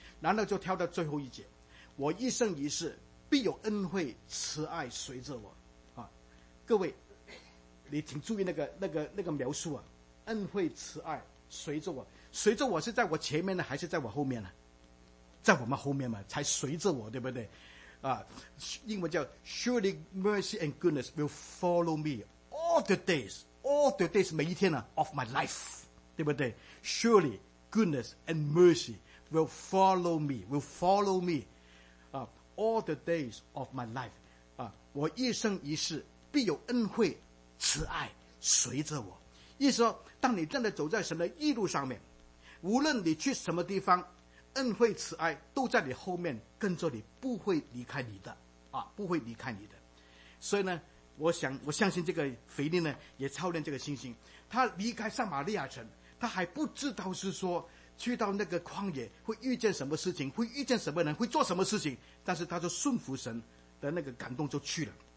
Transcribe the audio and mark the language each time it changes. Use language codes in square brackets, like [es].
[zh] 然后就跳到最后一节，我一生一世必有恩惠慈爱随着我啊！各位，你请注意那个描述啊，恩惠慈爱随着我，随着我是在我前面呢，还是在我后面呢？在我们后面嘛，才随着我，对不对？ [en] 啊， [zh] 英文叫 [en] Surely mercy and goodness will follow me all the days [zh] 每一天呢 [en] of my life， [zh] 对不对 [en] ？Surely goodness and mercy will follow me 啊 all the days of my life 啊， [zh] 我一生一世必有恩惠慈爱随着我。意思说，当你真的走在神的义路上面，无论你去什么地方，恩惠慈爱都在你后面跟着你，不会离开你的啊，不会离开你的。所以呢，我相信这个腓力呢也操练这个信心。他离开撒玛利亚城，他还不知道是说去到那个旷野会遇见什么事情，会遇见什么人，会做什么事情，但是他就顺服神的那个感动就去了。